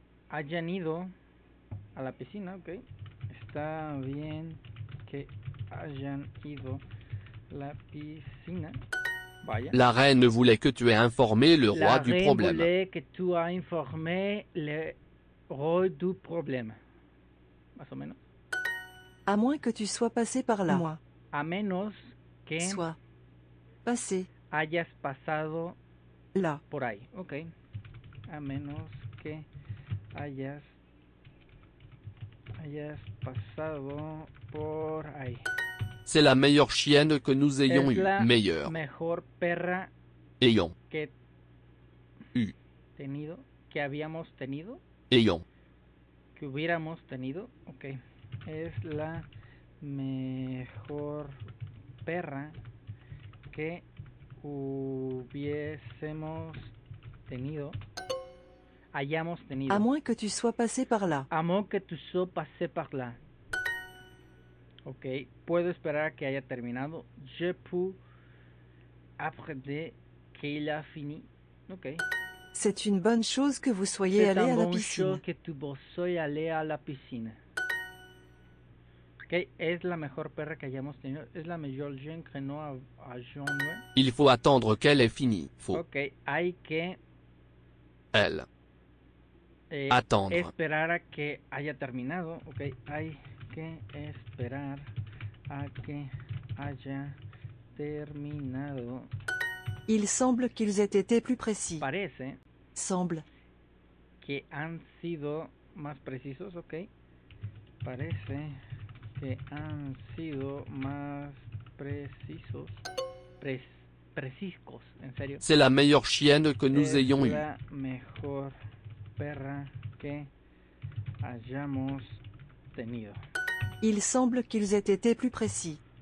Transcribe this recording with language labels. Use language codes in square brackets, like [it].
[es] Hayan ido a la piscina, ok. Está bien que hayan ido a la piscina. Vaya. [fr] La reine voulait que tu aies informé le roi la du problème. La reine voulait que tu aies informé le roi du problème. [es] Más o menos. [fr] À moins que tu sois passé par là. Moi. [es] A menos que [fr] soit passé. [es] Hayas pasado [fr] là. [es] Por ahí. Ok. A menos que hayas pasado por ahí. [fr] C'est la meilleure chienne que nous ayons eue. Meilleure. [es] Mejor perra [fr] ayons. Que eu. [es] Tenido. Que habíamos tenido. [fr] Ayons. [es] Que hubiéramos tenido. Ok. Es la mejor perra que hubiésemos tenido. Hayamos tenido. [fr] A moins que tu sois passé par là. A moins que tu sois passé par là. Ok. [es] Puedo esperar a que haya terminado. [fr] Je peux après que il a fini. Ok. C'est une bonne chose que vous soyez allé à la piscine. C'est une bonne chose que tu vous soyez allé à la piscine. Okay. [es] Es la mejor perra que hayamos tenido. Es la mejor gen que no hayamos tenido. [fr] Il faut attendre qu'elle ait fini. Faut. [es] Ok, hay que... [fr] Elle. Attendre. [es] Esperar a que haya terminado. Ok, hay que esperar a que haya terminado. [fr] Il semble qu'ils aient été plus précis. [es] Parece. [fr] Semble. [es] Que han sido más precisos, ok. Parece... que han sido más precisos, precisos, en serio. [fr] C'est la meilleure chienne que nous ayons eue. [es] Es la mejor perra que hayamos tenido. [fr] Il semble qu'ils aient été plus précis.